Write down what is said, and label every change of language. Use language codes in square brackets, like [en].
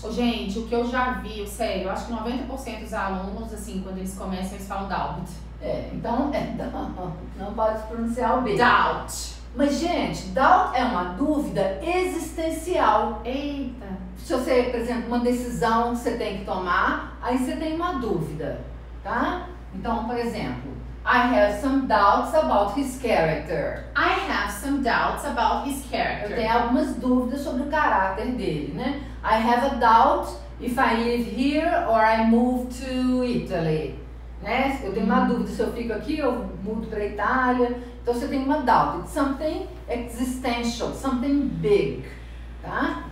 [pt] Gente, o que eu já vi, sério, eu acho que 90% dos alunos, assim, quando eles começam, eles falam doubt. Então, não pode pronunciar o B. Doubt. Mas, gente, doubt é uma dúvida existencial. Eita. Se você, por exemplo, uma decisão que você tem que tomar, aí você tem uma dúvida, tá? Então, por exemplo, [en] I have some doubts about his character. I have some doubts about his character. [pt] Eu tenho algumas dúvidas sobre o caráter dele, né? [en] I have a doubt if I live here or I move to Italy. Né? [pt] Eu tenho uma dúvida se eu fico aqui ou mudo para a Itália. Então, você tem uma doubt. [en] It's something existential, something big, tá?